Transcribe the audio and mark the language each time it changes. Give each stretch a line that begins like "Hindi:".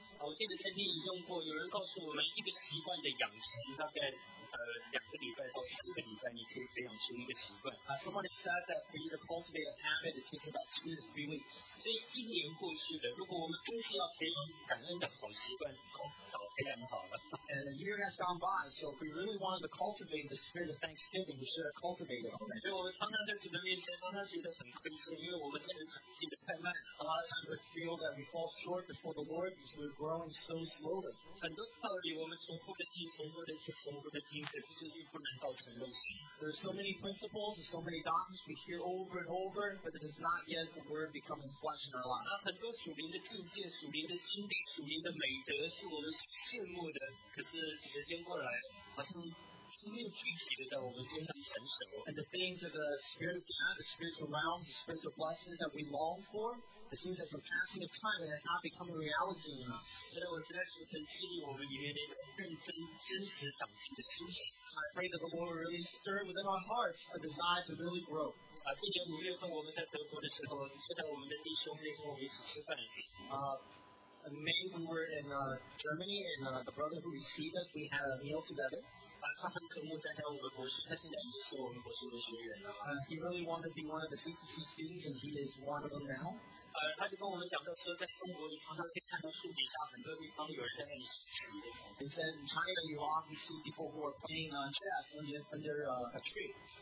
Chinese: 我记得曾经引用过，有人告诉我们一个习惯的养成，大概两个礼拜到三个礼拜，你可以培养出一个习惯。
English: Someone said that for you to cultivate a habit, it takes about 2 to 3 weeks.
Chinese: 所以一年过去了，如果我们真是要培养感恩的好习惯，早培养好了。
English: And a year has gone by, so if we really wanted to cultivate the spirit of Thanksgiving, we should have cultivated it.
Chinese: 所以我们常常在主的面前，常常觉得很亏欠，因为我们真的长进的太慢了。
English: A lot of times we feel that we fall short before the Lord because we're growing so slowly.
Chinese: 很多道理我们重复的听，重复的听，重复的听，可是就是不能到成肉身。
English: There are so many principles and so many doctrines we hear over and over, but it is not yet the word becoming flesh in our lives.
Chinese: 那很多属灵的境界、属灵的经历、属灵的美德是我们所羡慕的，可是时间过来，好像。
English: And the things of the spirit of God, the spiritual realms, the spiritual blessings that we long for, the things that from passing of time it has not become a reality in us. So that was actually sincerely what we needed So I pray that the Lord will really stir within our hearts a desire to really grow.
Chinese: 今年五月份我们在德国的时候，接待我们的弟兄们，我们一起吃饭。
English: In May we were in Germany, and the brother who received us, we had a meal together. He really wanted to be one of the CTC students, and he is one of them now. He said in China, you often see people who are playing chess under a tree.